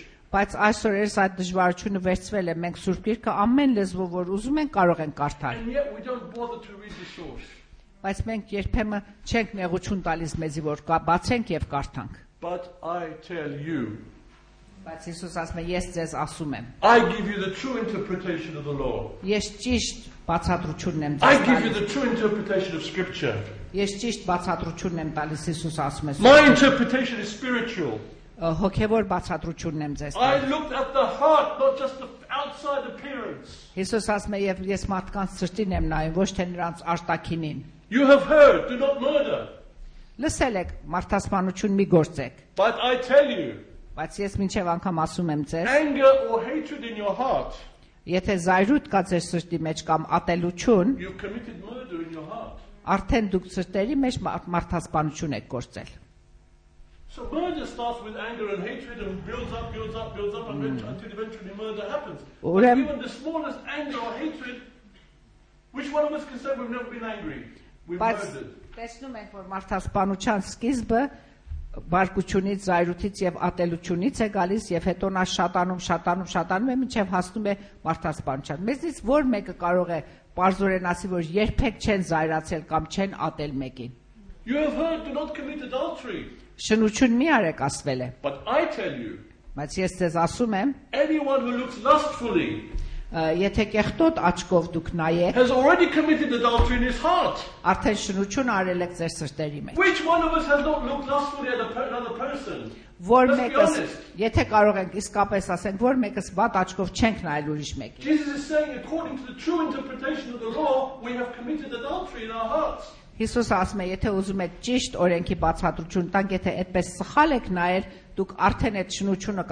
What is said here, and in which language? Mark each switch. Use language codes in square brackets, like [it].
[hy] Բայց այսօր էս այդ դժվարությունը վերցվել է, մենք Սուրբ Գիրքը ամեն լեզվով, որ ուզում ենք, կարող ենք կարդալ։ Բայց մենք երբեմն չենք նեղություն տալիս մեզի, որ բացենք եւ կարդանք։ [en] But I tell you. [hy] Բայց Հիսուս ասում է, ես ձեզ ասում եմ։ [en] I give you the true interpretation of the law. [hy] Ես ճիշտ բացատրությունն եմ տալիս։ [en] I give you the true interpretation of scripture. [hy] Ես ճիշտ բացատրությունն եմ տալիս, Հիսուս ասում է։ [en] My interpretation is spiritual. [hy] Հոգևոր բացատրությունն եմ ձեզ տալիս։ [en] I looked at the heart, not just the outside appearance. [hy] Հիսուս ասում է, եւ ես մարդկանց սրտին եմ նայում, ոչ թե նրանց արտաքինին։ [en] You have heard, do not murder. [hy] Լսել եք, մարդասպանություն մի գործեք։ [en] But I tell you. [hy] Բայց ես մինչև անգամ ասում եմ ձեզ։ [en] Anger or hatred in your heart. [hy] Եթե զայրույթ կա ձեր սրտի մեջ կամ ատելություն, [en] you committed murder in your heart. [hy] Արդեն դուք սրտերի մեջ մարդասպանություն եք գործել։ [en] So murder starts with anger and hatred and builds up and until eventually murder happens. Even the smallest anger or hatred, which one of us can say we've never been angry? [hy] Բայց տեսնում ենք, որ մարդասպանության սկիզբը բարկությունից, զայրութից եւ ատելությունից է գալիս եւ հետո նա շատանում է, մինչեւ հասնում է մարդասպանության։ Մեզից ո՞ր մեկը կարող է պարզորեն ասի, որ երբեք չեն զայրացել կամ չեն ատել մեկին։ [en] You have heard, do not commit adultery. [hy] Շնություն մի արեք ասվել է։ [en] But I tell you. [hy] Բայց ես ձեզ ասում եմ։ [en] Anyone who looks lustfully. [hy] Եթե կեղտոտ աչքով դուք նայեք, [en] has already committed adultery in his heart. [hy] Արդեն շնություն արել եք ձեր սրտերի մեջ։ [en] Which one of us has not looked lustfully at another person? [hy] Ո՞ր մեկս, եթե կարող ենք իսկապես ասենք, ո՞ր մեկս բաթ աչքով չենք նայել ուրիշ մեկին։ [en] Jesus is saying according to the true interpretation of the law, we have committed adultery in our hearts. [hy] Հիսուս ասում է, եթե ուզում եք ճիշտ օրենքի բացատրություն տանք, եթե այդպես սխալ եք նայել, դուք արդեն այդ շնությունը